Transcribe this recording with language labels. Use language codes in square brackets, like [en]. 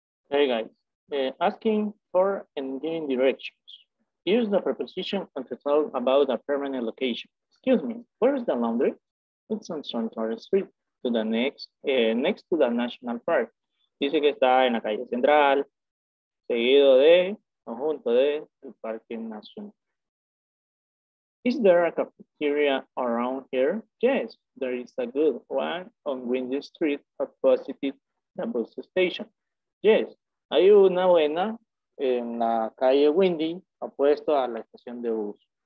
[en] Hey guys, asking for and giving directions. Use the preposition and to tell about a permanent location. Excuse me, where is the laundry? It's on Central Street, to the next to the National Park. [es] Dice que está en la calle central, seguido de, conjunto de, el Parque Nacional. [en] Is there a cafeteria around here? Yes, there is a good one on Windy Street opposite the bus station. Yes. [es] Hay una buena en la calle Windy, opuesto a la estación de bus.